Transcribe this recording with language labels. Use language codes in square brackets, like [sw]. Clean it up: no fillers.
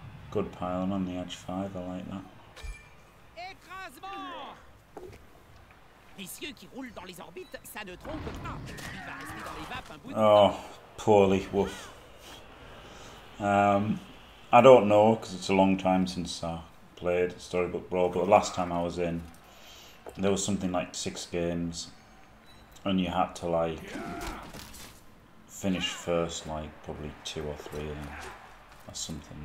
[en] Good pylon on the edge five, I like that. [fr] Écrasement! Les cieux qui roulent dans les orbites, ça ne trompe pas. Il va rester dans les vapes un bout de [en] temps. Oh, poorly, woof. I don't know, because it's a long time since I played Storybook Brawl, but the last time I was in, there was something like 6 games. And you had to like finish first, like probably 2 or 3 or something.